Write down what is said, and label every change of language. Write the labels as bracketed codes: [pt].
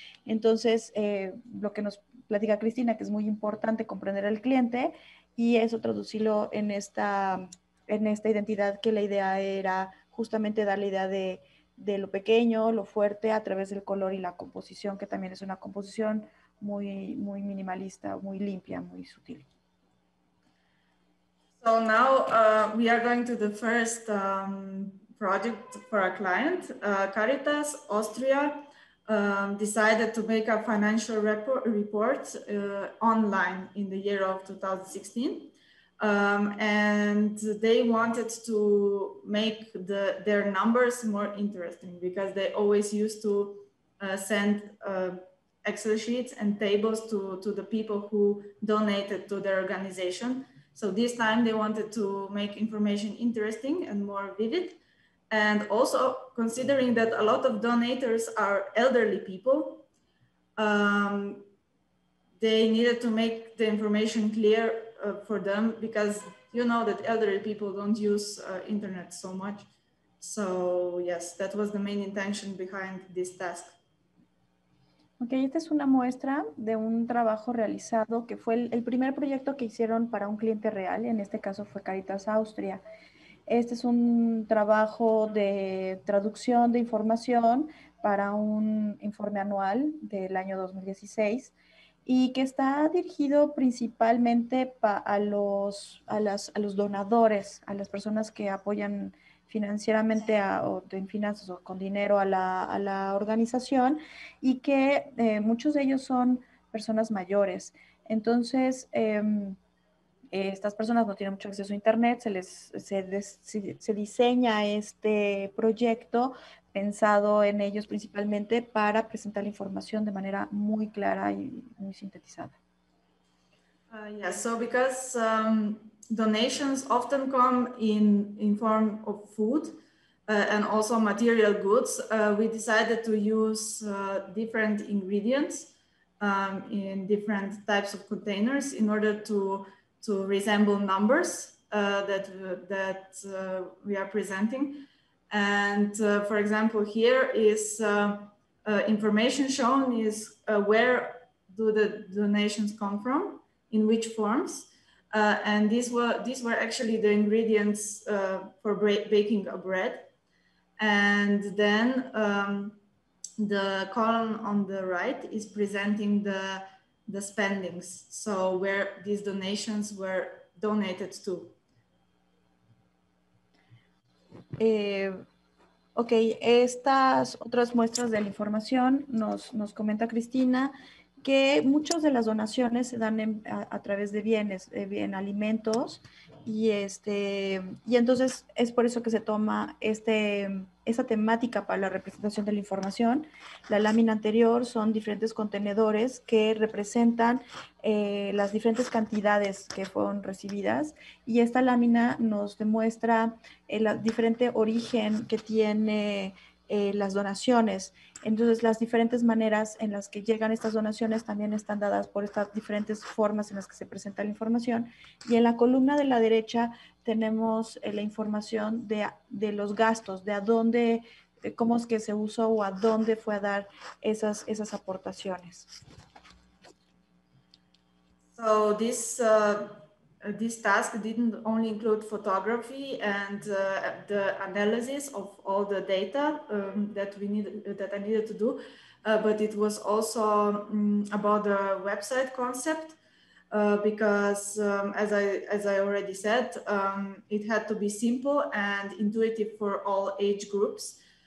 [es] Entonces, lo que nos platica Cristina, que es muy importante comprender al cliente, y eso traducirlo en esta identidad, que la idea era justamente dar la idea de lo pequeño, lo fuerte, a través del color y la composición, que también es una composición muy, muy minimalista, muy limpia, muy sutil. [en] So now we are going to the first project for our client. Caritas Austria decided to make a financial report online in the year of 2016. And they wanted to make their numbers more interesting, because they always used to send Excel sheets and tables to the people who donated to their organization. So this time they wanted to make information interesting and more vivid. And also, considering that a lot of donators are elderly people, they needed to make the information clear for them, because you know that elderly people don't use internet so much. So yes, that was the main intention behind this task. [es] Okay, esta es una muestra de un trabajo realizado que fue el primer proyecto que hicieron para un cliente real, en este caso fue Caritas Austria. Este es un trabajo de traducción de información para un informe anual del año 2016, y que está dirigido principalmente a los donadores, a las personas que apoyan financieramente con dinero a la organización, y que muchos de ellos son personas mayores. Entonces, estas personas no tienen mucho acceso a internet, se diseña este proyecto pensado en ellos principalmente para presentar la información de manera muy clara y muy sintetizada. [en] Yeah, so because donations often come in form of food and also material goods, we decided to use different ingredients in different types of containers in order to resemble numbers, that we are presenting. And for example, here is information shown is where do the donations come from, in which forms. And these were actually the ingredients for baking a bread. And then the column on the right is presenting the spendings. So where these donations were donated to. [es] Ok, estas otras muestras de la información nos comenta Cristina que muchas de las donaciones se dan a través de bienes, bien alimentos, y entonces es por eso que se toma esta temática para la representación de la información. La lámina anterior son diferentes contenedores que representan las diferentes cantidades que fueron recibidas, y esta lámina nos demuestra el diferente origen que tiene las donaciones. Entonces, las diferentes maneras en las que llegan estas donaciones también están dadas por estas diferentes formas en las que se presenta la información. Y en la columna de la derecha tenemos la información de los gastos, de a dónde, de cómo es que se usó o a dónde fue a dar esas aportaciones. [en] So this task didn't only include photography and the analysis of all the data that I needed to do, but it was also about the website concept, because as I already said, it had to be simple and intuitive for all age groups.